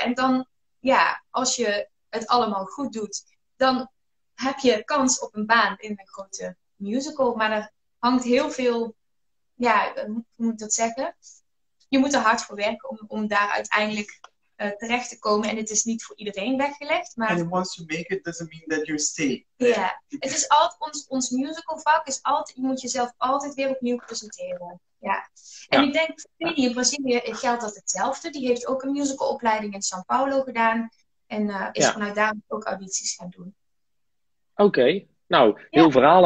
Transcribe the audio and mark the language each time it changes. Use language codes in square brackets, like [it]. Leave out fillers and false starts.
[nl] En dan, ja, als je het allemaal goed doet, dan heb je kans op een baan in een grote musical, maar er hangt heel veel, ja, hoe moet ik dat zeggen? Je moet er hard voor werken om daar uiteindelijk terecht te komen. En het is niet voor iedereen weggelegd. Maar [en] and once you make it, doesn't mean that you stay. [nl] Ja, het is altijd ons musical vak is altijd, je moet jezelf altijd weer opnieuw presenteren. Ja, en ik denk, Vini in Brazilië geldt dat hetzelfde. Die heeft ook een musical opleiding in São Paulo gedaan. En is vanuit daar ook audities gaan doen. Oké. Nou, heel verhaal.